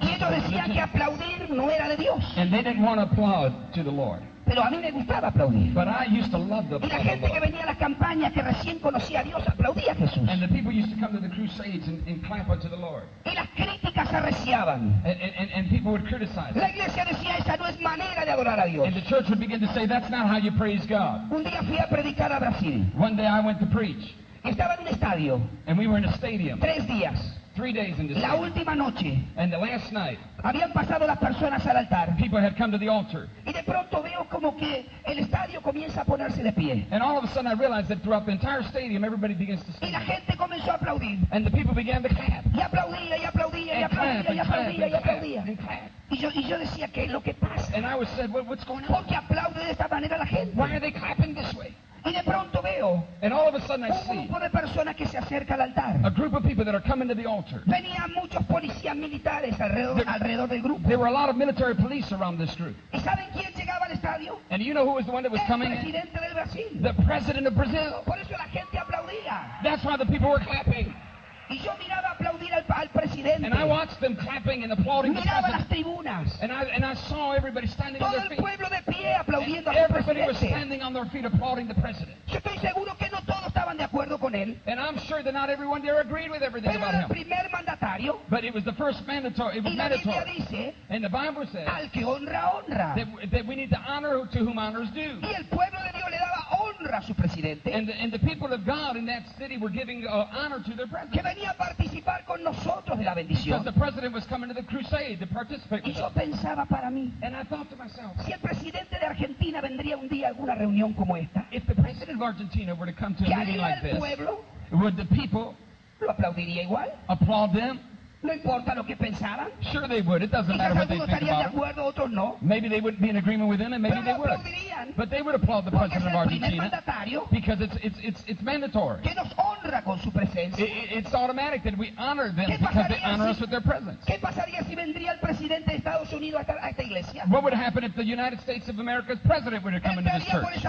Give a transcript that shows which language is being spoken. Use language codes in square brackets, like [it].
[es] Y ellos decían que aplaudir no era de Dios. [en] And they didn't want to applaud to the Lord. [es] Pero a mí me gustaba aplaudir. [en] But I used to love the applause. [es] Y la gente que venía a las campañas que recién conocía a Dios aplaudía a Jesús. [en] And the people used to come to the crusades and clap unto the Lord. [es] Y las críticas arreciaban. [en] And people would criticize. [es] La iglesia decía, esa no es manera de adorar a Dios. [en] And the church would begin to say, that's not how you praise God. [es] Un día fui a predicar a Brasil. [en] One day I went to preach. [es] Estaba en un estadio. [en] And we were in a stadium. [es] 3 días. [en] 3 days in the [es] la última noche. [en] And the last night. [es] Habían pasado las personas al altar. [en] People had come to the altar. [es] Y de pronto veo como que el estadio comienza a ponerse de pie. [en] And all of a sudden I realized that throughout the entire stadium everybody begins to stand. [es] Y la gente comenzó a aplaudir. [en] And the people began to clap. [es] Y aplaudía, y aplaudía, [en] and [es] y aplaudía, [en] clap, [es] y aplaudía, [en] and [es] y aplaudía. [en] And clap. [es] Y yo decía, ¿qué es lo que pasa? [en] And I was said, what's going on? [es] ¿Por qué aplaude de esta manera la gente? [en] Why are they clapping this way? [es] Y de pronto veo [en] and all of a sudden I see [es] un grupo de personas que se acerca al altar. [en] A group of people that are coming to the altar. [es] Venían muchos policías militares alrededor del grupo. [en] There were a lot of military police around this group. [es] ¿Y saben quién llegaba al estadio? [en] And you know who was the one that was [es] el [en] coming? [es] Presidente del Brasil. [en] The president of Brazil. [es] Por eso la gente aplaudía. [en] That's why the people were clapping. [es] Y yo miraba aplaudir al presidente. [en] And I watched them clapping and applauding [es] miraba [en] the president. [es] Las tribunas. [en] And I saw everybody standing [es] todo [en] on their feet. [es] El pueblo de pie aplaudiendo [en] and [es] al [en] everybody [es] presidente. [en] Was standing on their feet applauding the president. [es] Yo estoy seguro que no todos estaban de acuerdo con él. [en] And I'm sure that not everyone there agreed with everything [es] pero [en] about [es] el primer [en] him. [es] Mandatario, [en] but it was the first mandatory. It was [es] y la [en] mandatory. [es] Dice, [en] and the Bible says [es] al que honra, honra. [en] That we need to honor to whom honor is due. [es] Y el pueblo de Dios le daba honra a su presidente. [en] And the people of God in that city were giving honor to their president. [es] Que venía a participar con nosotros de la bendición. [en] Because the president was coming to the crusade to participate. [es] Y yo pensaba para mí. [en] And I thought to myself. [es] Si el presidente de Argentina vendría un día a alguna reunión como esta. [en] If the president of Argentina were to come to a meeting like this. [es] ¿Qué haría el pueblo? [en] Would the people. [es] Lo aplaudiría igual. [en] Applaud them. [es] No importa lo que pensaran. [en] Sure they would. It doesn't matter what they think about them. Maybe they wouldn't be in agreement with them, and maybe they would. But they would applaud the president of Argentina because it's mandatory. [es] Que nos honra con su presencia. [en] It's automatic that we honor them because they honor us with their presence. [es] ¿Qué pasaría si vendría el presidente de Estados Unidos a esta iglesia? [en] What would happen if the United States of America's president were to come into this church?